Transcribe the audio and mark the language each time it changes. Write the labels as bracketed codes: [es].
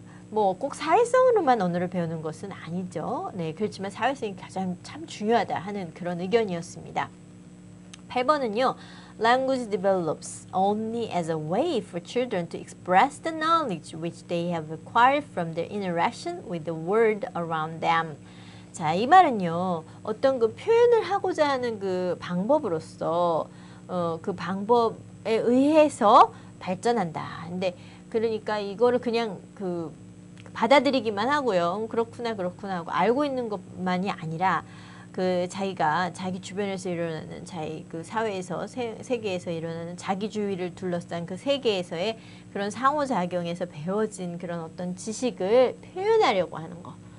[ko] 뭐 꼭 사회성으로만 언어를 배우는 것은 아니죠. 네, 그렇지만 사회성이 가장 참 중요하다 하는 그런 의견이었습니다. 8번은요. [en] Language develops only as a way for children to express the knowledge which they have acquired from their interaction with the world around them. [ko] 자, 이 말은요. 어떤 그 표현을 하고자 하는 그 방법으로서 그 방법에 의해서 발전한다. 근데 그러니까 이거를 그냥 그 받아들이기만 하고요. 그렇구나 그렇구나 하고 알고 있는 것만이 아니라 그 자기가 자기 주변에서 일어나는 자기 그 사회에서 세계에서 일어나는 자기 주위를 둘러싼 그 세계에서의 그런 상호작용에서 배워진 그런 어떤 지식을 표현하려고 하는 거.